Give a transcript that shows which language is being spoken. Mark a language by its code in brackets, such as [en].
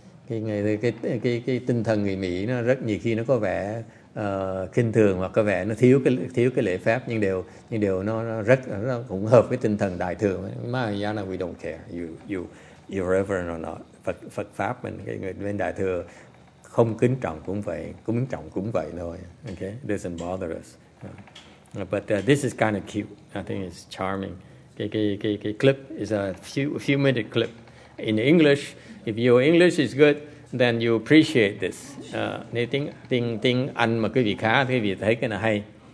[vi] Cái tinh thần người Mỹ nó rất nhiều khi nó có vẻ khinh thường hoặc có vẻ nó thiếu cái lễ phép, nhưng điều nó rất cũng hợp với tinh thần đại thừa. [en] Mahayana, we don't care you irreverent or not. [vi] Phật pháp mình, cái người bên đại thừa không kính trọng cũng vậy, cũng kính trọng cũng vậy thôi. [en] Okay, doesn't bother us. But this is kind of cute. I think it's charming. Cái clip is a few minute clip in English. If your English is good, then you appreciate this. [vi] Nếu tiếng Anh mà quý vị khá, quý vị thấy cái này hay.